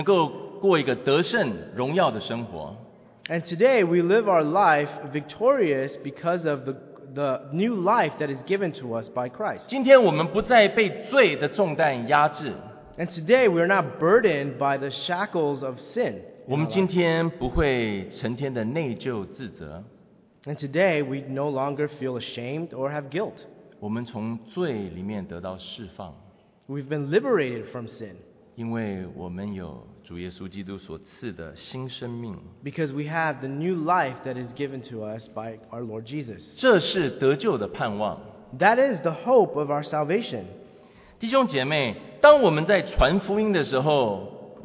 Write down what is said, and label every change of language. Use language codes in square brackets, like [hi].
[zh] 我们今天是以主耶稣基督所赐给我们的新生命能够过一个得胜荣耀的生活。 [en] And today we live our life victorious because of the new life that is given to us by Christ. [zh] 今天我们不再被罪的重担压制。 [en] And today we are not burdened by the shackles of sin. [zh] 我们今天不会成天的内疚自责。 [en] And today we no longer feel ashamed or have guilt. [zh] 我们从罪里面得到释放。 [en] We've been liberated from sin. [zh] 因为我们有主耶稣基督所赐的新生命。 [en] Because we have the new life that is given to us by our Lord Jesus. [zh] 这是得救的盼望。 [en] That is the hope of our salvation. [zh] 弟兄姐妹, 当我们在传福音的时候,